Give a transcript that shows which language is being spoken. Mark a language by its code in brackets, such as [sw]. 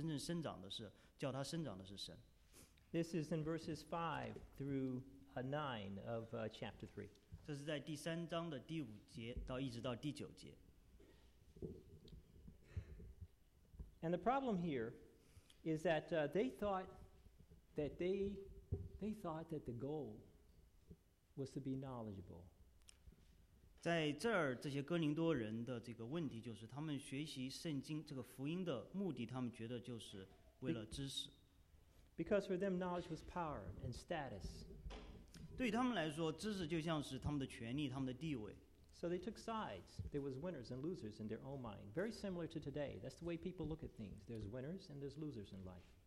[zh] 在保罗讨论哥林多教会纷争的时候，因为哥林多教会有各种各样的会众，他随从不同的领袖，所以说到有人属基保罗，有人属亚波罗，有人属基法，有人属基督，所以保罗说我只不过是撒种子，而亚波罗是浇灌了，我们只不过是神的仆人，而真正生长的是叫他生长的是神。 [en] This is in verses 5 through 9 of chapter 3. [zh] 这是在第三章的第五节到一直到第九节。 [en] And the problem here is that they thought that the goal was to be knowledgeable. [zh] 在这儿这些哥林多人的这个问题就是他们学习圣经这个福音的目的，他们觉得就是为了知识。 [en] Because for them, knowledge was power and status. [zh] 对他们来说，知识就像是他们的权利，他们的地位。 [en] So they took sides. There was winners and losers in their own mind. Very similar to today. That's the way people look at things. There's winners and there's losers in life.